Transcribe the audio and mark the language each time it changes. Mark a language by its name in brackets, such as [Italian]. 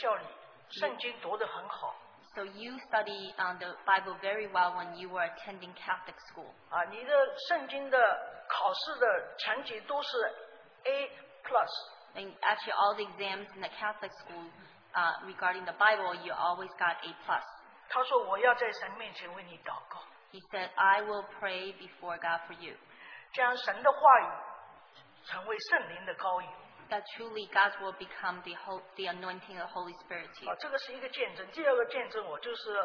[Chinese] 他说你在天主教学校里圣经读得很好。 [English] So you study the Bible very well when you were attending Catholic school. [Chinese] 你的圣经的考试的成绩都是 A plus. [English] And actually all the exams in the Catholic school regarding the Bible, you always got A plus. [Chinese] 他说我要在神面前为你祷告。 [English] He said, I will pray before God for you. [Chinese] 将神的话语成为圣灵的膏油。 [English] That truly God will become the anointing of the Holy Spirit to you. [Chinese] 这个是一个见证。第二个见证我就是